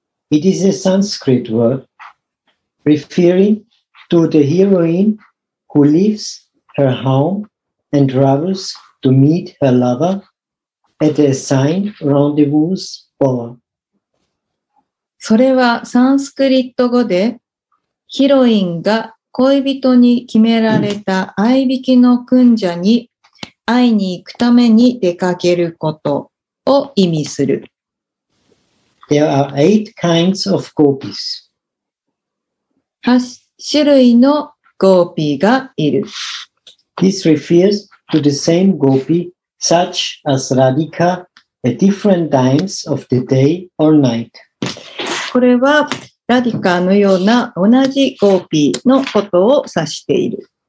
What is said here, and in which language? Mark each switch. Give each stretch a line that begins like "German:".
English: It is a Sanskrit word referring to the heroine who leaves her home and travels to meet her lover at a assigned rendezvous bar.
Japanese: それはサンスクリット語で、ヒロインが恋人に決められた相引きの訓者に会いに行くために出かけることを意味する。
English: There are eight kinds of gopis.
Japanese: 8種類のゴーピーがいる。
English: This refers to the same gopi, such as Radhika, at different times of the day or night.
Japanese: これはラディカのような同じゴーピーのことを指している。